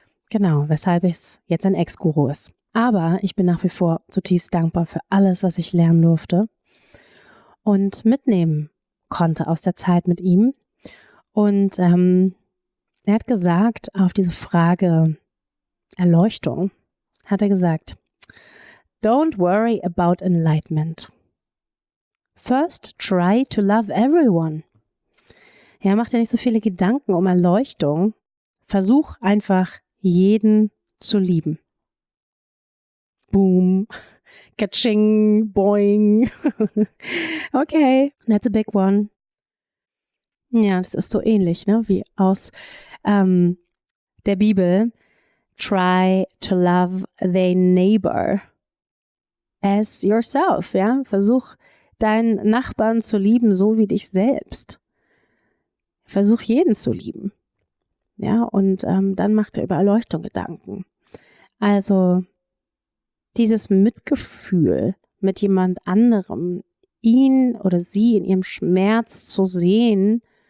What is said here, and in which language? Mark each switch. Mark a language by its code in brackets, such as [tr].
[de] Genau, weshalb ich jetzt ein Ex-Guru ist. Aber ich bin nach wie vor zutiefst dankbar für alles, was ich lernen durfte und mitnehmen konnte aus der Zeit mit ihm. Und er hat gesagt, auf diese Frage Erleuchtung, hat er gesagt, [en] "Don't worry about enlightenment. First, try to love everyone." [de] Ja, mach dir nicht so viele Gedanken um Erleuchtung. Versuch einfach, jeden zu lieben. Boom. Ka-ching. Boing. [en] Okay, that's a big one. [de] Ja, das ist so ähnlich, ne, wie aus der Bibel. [en] Try to love thy neighbor as yourself. [de] Ja, versuch, deinen Nachbarn zu lieben, so wie dich selbst. Versuch, jeden zu lieben. Ja, und dann macht er über Erleuchtung Gedanken. Also dieses Mitgefühl mit jemand anderem, ihn oder sie in ihrem Schmerz zu sehen,